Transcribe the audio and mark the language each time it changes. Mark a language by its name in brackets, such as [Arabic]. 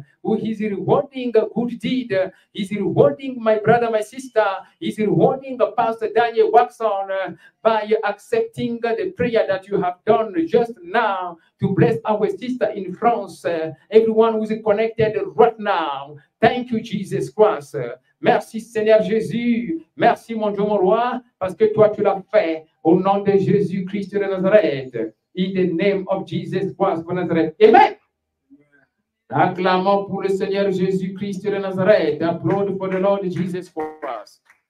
[English] who is rewarding a good deed, is rewarding my brother, my sister, is rewarding Pastor Daniel Waxon by accepting the prayer that you have done just now to bless our sister in France, everyone who is connected right now. Thank you, Jesus Christ. [French] Merci, Seigneur Jésus. Merci, mon Dieu, mon roi, parce que toi, tu l'as fait au nom de Jésus Christ de Nazareth. [English] In the name of Jesus Christ of Nazareth. Amen. [French] Acclamons pour le Seigneur Jésus-Christ de Nazareth. [English] Applaud for the Lord Jesus Christ.